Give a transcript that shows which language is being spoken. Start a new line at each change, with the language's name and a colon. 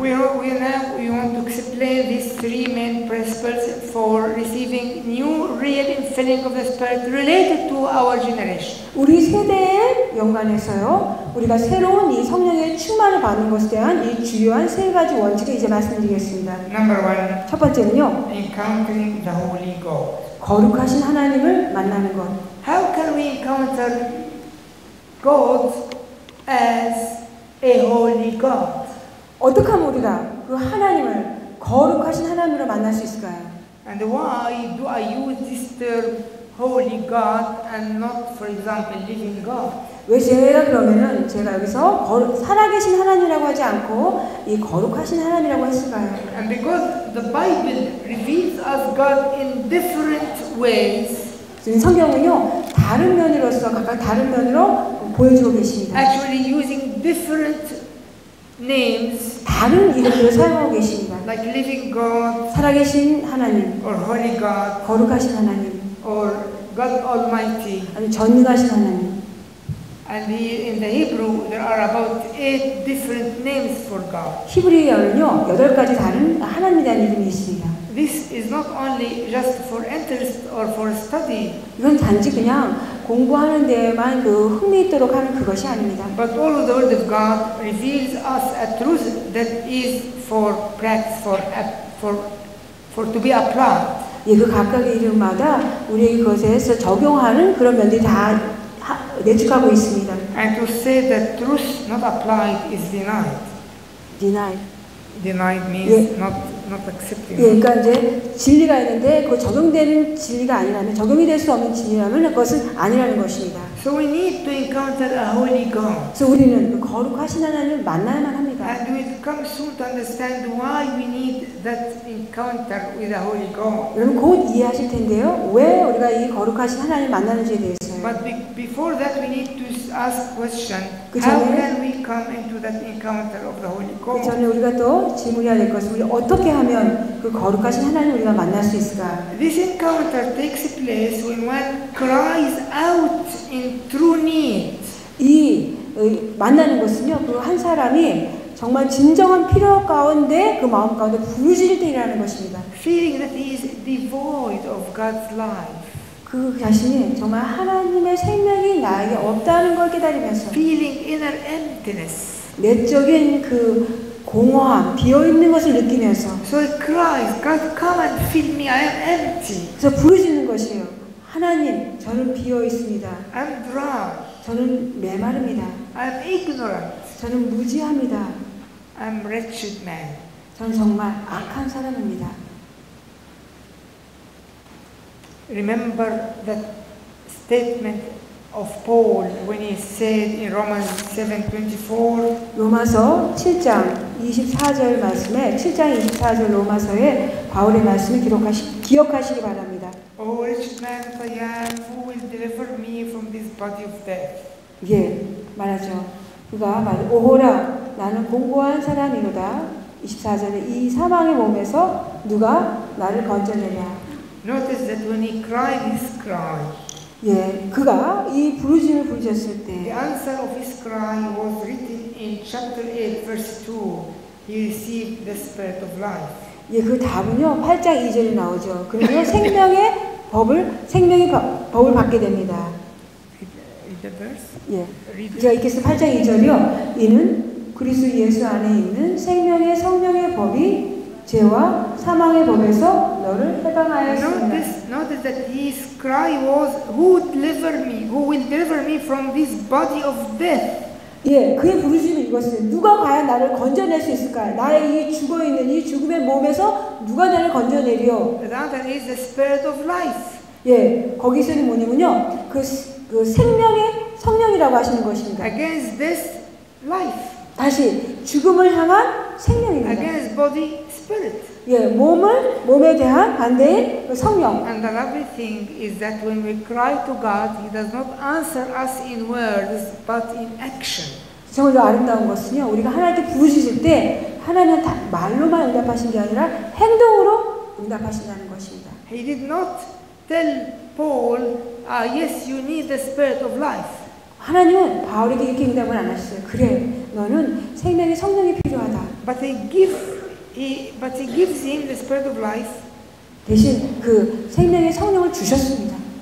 English: We want to explain these three main principles for receiving new real infilling of the Spirit related to our generation.
Korean: 우리 세대에 연관해서요, 우리가 새로운 이 성령의 충만을 받는 것에 대한 이 주요한 세 가지 원칙을 이제 말씀드리겠습니다.
English: Number one.
Korean: 첫 번째는요.
English: Encountering the Holy God.
Korean: 거룩하신 하나님을 만나는 것.
English: How can we encounter God as A holy God.
Korean: 어떻게 하면 우리가 그 하나님을 거룩하신 하나님으로 만날 수 있을까요?
English: And why do I use this term holy God and not, for example, living God?
Korean: 왜 제가 그러면은 제가 여기서 살아계신 하나님이라고 하지 않고 이 거룩하신 하나님이라고 했을까요?
English: And because the Bible reveals us God in different ways.
Korean: 성경은요 다른 면으로서 각각 다른 면으로 보여주고 계십니다.
English: Actually using different names
Korean: 다른 이름을 사용하고 계십니다.
English: Like living God
Korean: 살아계신 하나님
English: or holy God
Korean: 거룩하신 하나님
English: or God Almighty
Korean: 아니 전능하신 하나님
English: and in the Hebrew there are about 8 different names for God
Korean: 히브리어는요 여덟 가지 다른 하나님에 대한 이름이 있습니다.
English: This is not only just for interest or for study
Korean: 이건 단지 그냥 공부하는 데에만 그 흥미 있도록 하는 그것이 아닙니다.
English: But all the word of God reveals us a truth that is for practice, for to be applied.
Korean: 예, 그 각각의 이름마다 우리 그것에서 적용하는 그런 면들이 다 내축하고 있습니다.
English: And to say that truth not applied is denied. Denied means 예. not accepting.
Korean: 예, 그러니까 이제 진리가 있는데 그 적용되는 진리가 아니라면 적용이 될 수 없는 진리라면 그것은 아니라는 것입니다.
English: So we need to encounter a holy God.
Korean: 그래서 우리는 그 거룩하신 하나님을 만나야만 합니다.
English: And we come soon to understand why we need that encounter with a holy God.
Korean: 여러분 곧 이해하실 텐데요. 왜 우리가 이 거룩하신 하나님을 만나는지에 대해서.
English: But before that, we need to ask question.
Korean: 그 전에,
English: how can we come into that encounter of the Holy God?
Korean: 그 전에 우리가 또 질문해야 될 것은 우리 어떻게 하면 그 거룩하신 하나님을 우리가 만날 수 있을까?
English: This encounter takes place when one cries out in true need.
Korean: 이 만나는 것은요, 그 한 사람이 정말 진정한 필요 가운데 그 마음 가운데 부르짖을 때라는 것입니다.
English: Feeling that he is devoid of God's life.
Korean: 그 자신이 정말 하나님의 생명이 나에게 없다는 걸 깨달으면서
English: feeling inner emptiness.
Korean: 내적인 그 공허함, 비어있는 것을 느끼면서
English: So he cries, God come and fill me, I am empty.
Korean: 그래서 부르짖는 것이에요. 하나님, 저는 비어있습니다.
English: I'm dry.
Korean: 저는 메마릅니다.
English: I'm ignorant.
Korean: 저는 무지합니다.
English: I'm wretched man.
Korean: 저는 정말 악한 사람입니다.
English: Remember that statement of Paul when he said in Romans 7:24.
Korean: 로마서 7장 24절 말씀에 7장 24절 로마서에 바울의 말씀을 기억하시기 바랍니다.
English: O wretched man that I am, who will deliver me from this body of death?
Korean: 예, 말하죠. 그가 말, 오호라, 나는 공고한 사람이로다. 24절에 이 사망의 몸에서 누가 나를 건져내냐?
English: Notice that when he cried his cry.
Korean: 예, 그가 이 부르짖음을 부르셨을 때.
English: The answer of his cry was written in chapter 8, verse 2. He received the spirit of life.
Korean: 예, 그 답은요, 8장 2절에 나오죠. 그러면 생명의 법을, 생명의 법을 받게 됩니다.
English: The verse?
Korean: 예. 제가 읽겠습니다. 8장 2절이요. 이는 그리스도 예수 안에 있는 생명의 성령의 법이 죄와 사망의 법에서 너를 해방하였습니다.
English: Notice that his cry was, "Who deliver me? Who will deliver me from this body of death?"
Korean: 예, 그의 부르짖음이 이것은 누가 과연 나를 건져낼 수 있을까요? 나의 이 죽어 있는 이 죽음의 몸에서 누가 나를 건져내리요?
English: That is the spirit of life.
Korean: 예, 거기서는 뭐냐면요, 그 생명의 성령이라고 하시는 것입니다.
English: Against this life.
Korean: 다시 죽음을 향한 생명입니다.
English: Against body. Spirit.
Korean: 예, 몸에 대한 반대인 성령.
English: And the lovely thing is that when we cry to God, He does not answer us in words, but in action.
Korean: 정말 아름다운 것은요, 우리가 하나님께 부르짖을 때 하나님은 다 말로만 응답하신 게 아니라 행동으로 응답하신다는 것입니다.
English: He did not tell Paul, yes, you need the spirit of life.
Korean: 하나님은 바울에게 이렇게 응답을 안 하셨어요. 그래, 너는 생명의 성령이 필요하다.
English: But a gift. But he gives him the spirit of life.
Korean: 대신 그 생명의 성령을 주셨습니다.